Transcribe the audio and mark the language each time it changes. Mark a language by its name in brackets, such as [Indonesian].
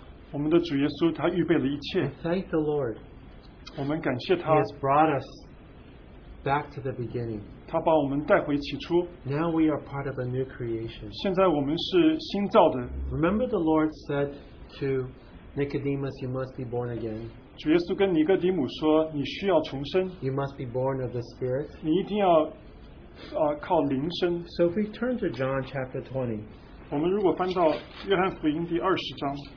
[Chinese] 我们的主耶稣他预备了一切, [English] and thank the Lord. [Chinese] 我们感谢他, [English] He has brought us back to the beginning. [Chinese] 他把我们带回起初, [English] now we are part of a new creation. [Chinese] 现在我们是新造的, [English] remember the Lord said to Nicodemus, you must be born again. [Chinese] 主耶稣跟尼哥底母说, 你需要重生, [English] you must be born of the Spirit. [Chinese] 你一定要 靠灵生, [English] so if we turn to John chapter 20, [Chinese] 我们如果翻到约翰福音第二十章,